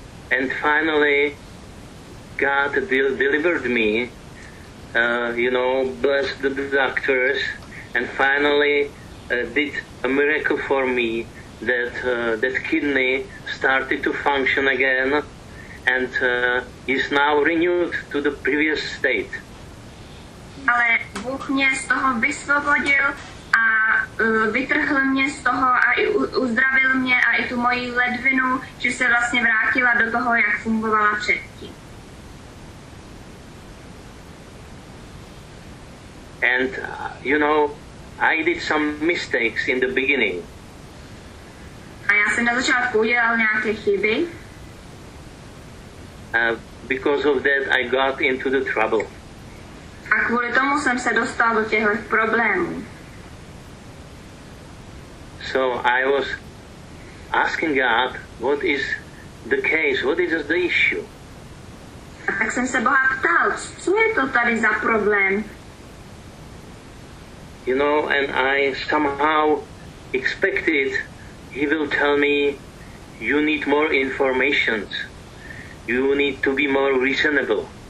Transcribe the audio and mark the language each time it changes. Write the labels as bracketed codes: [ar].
[en] And finally God delivered me, blessed the doctors, and finally did a miracle for me that kidney started to function again and is now renewed to the previous state. [cs] Ale Bůh mě z toho vysvobodil a vytrhl mě z toho a i uzdravil mě a i tu moji ledvinu, že se vlastně vrátila do toho, jak fungovala předtím. [en] And I did some mistakes in the beginning. [cs] A já jsem na začátku udělal nějaké chyby. [en] Because of that I got into the trouble. [cs] A kvůli tomu jsem se dostal do těchto problémů. [en] So I was asking God, what is the case? What is the issue? [cs] A tak jsem se Boha ptal, co je to tady za problém? [en] You know, and I somehow expected he will tell me, you need more information, you need to be more reasonable.